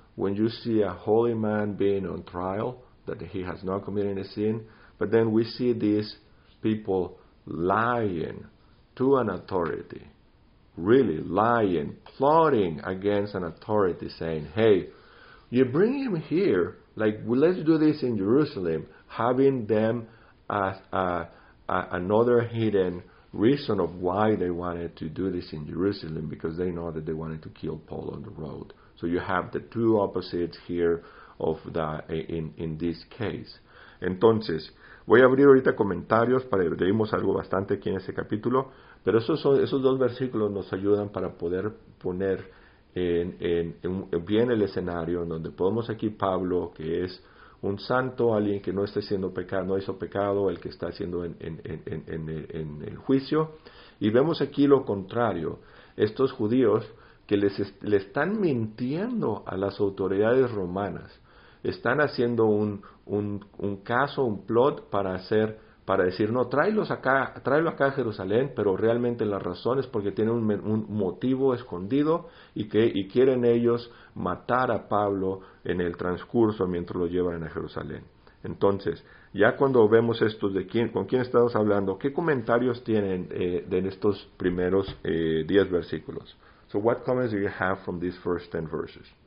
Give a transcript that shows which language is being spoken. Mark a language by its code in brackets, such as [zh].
[en] When you see a holy man being on trial, that he has not committed a sin, but then we see these people lying to an authority, really lying, plotting against an authority, saying, hey, you bring him here, like, well, let's do this in Jerusalem, having them as another hidden reason of why they wanted to do this in Jerusalem, because they know that they wanted to kill Paul on the road. So you have the two opposites here of the in this case. [es] Entonces, voy a abrir ahorita comentarios para que leímos algo bastante aquí en este capítulo, pero esos dos versículos nos ayudan para poder poner en bien el escenario en donde podemos aquí Pablo, que es un santo, alguien que no está haciendo pecado, no hizo pecado, el que está haciendo en el juicio, y vemos aquí lo contrario, estos judíos que le están mintiendo a las autoridades romanas. Están haciendo un caso, un plot para decir, no, tráelo acá a Jerusalén, pero realmente la razón es porque tienen un motivo escondido y quieren ellos matar a Pablo en el transcurso mientras lo llevan a Jerusalén. Entonces, ya cuando vemos esto, con quién estamos hablando, ¿qué comentarios tienen de estos primeros 10 versículos? [en] So what comments do you have from these first 10 verses?